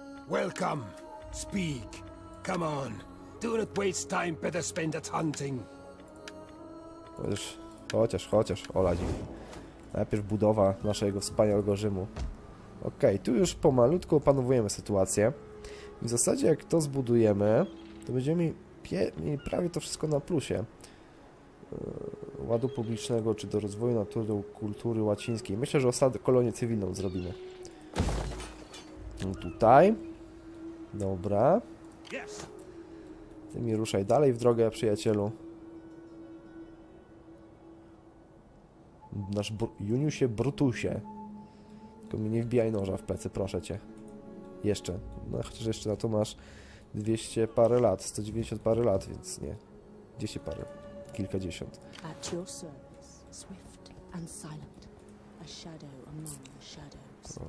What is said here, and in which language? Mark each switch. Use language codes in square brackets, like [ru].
[en] Welcome, speak, come on, do not waste time, better spend at hunting. [pl] Chociaż, Oladzi. Najpierw budowa naszego wspaniałego Rzymu. Okej, tu już pomalutku opanowujemy sytuację. I w zasadzie jak to zbudujemy, to będziemy mieli prawie to wszystko na plusie. Ładu publicznego, czy do rozwoju natury, kultury łacińskiej. Myślę, że osadę, kolonię cywilną zrobimy. Tutaj. Dobra. Ty mi ruszaj dalej w drogę, przyjacielu. Nasz Juniusie Brutusie. Tylko mi nie wbijaj noża w plecy, proszę cię. Jeszcze. No chociaż jeszcze na to masz 200 parę lat, 190 parę lat, więc nie. 200 parę, kilkadziesiąt. [en] At your service, swift and silent. A shadow among the shadows.